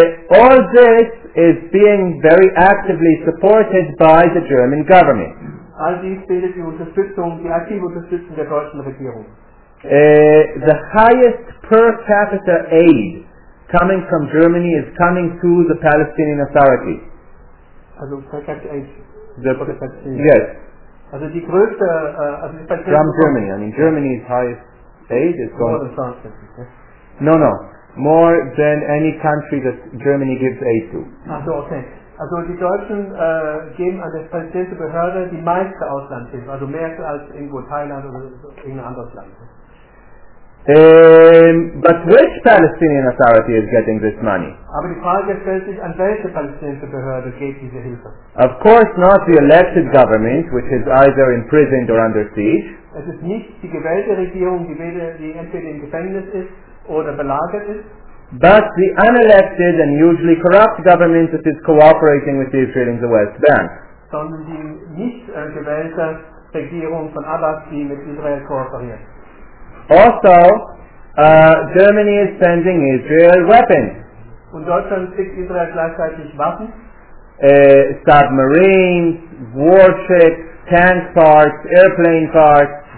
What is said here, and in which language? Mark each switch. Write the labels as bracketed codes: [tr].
[en] All this is being very actively supported by the German government. [de] All dies bildet die Unterstützung, die aktive Unterstützung der deutschen Regierung. [en] The highest per capita aid coming from Germany is coming to the Palestinian Authority. Also per capita aid. Yes. [de] Also die größte, also die [en] Palästinenser. From Germany. I mean, Germany's highest aid is going. More than France, yes. No, no. More than any country that Germany gives aid to. [de] Also okay. Also die Deutschen geben an das palästinensische Behörde die meiste Auslandshilfe, also mehr als irgendwo Thailand oder irgendein anderes Land. [en] But which Palestinian Authority is getting this money? [de] Aber die Frage stellt sich, an welche palästinensische Behörde geht diese Hilfe? [en] Of course not the elected government, which is either imprisoned or under siege. [de] Es ist nicht die gewählte Regierung, die entweder im Gefängnis ist oder belagert ist. [en] But the unelected and usually corrupt government that is cooperating with Israel in the West Bank. [de] Sondern die nicht gewählte Regierung von Abbas, die mit Israel kooperiert. [en] Also, Germany is sending Israel weapons. [de] Und Deutschland schickt Israel gleichzeitig Waffen. [en] Submarines, warships, tank parts, airplane parts.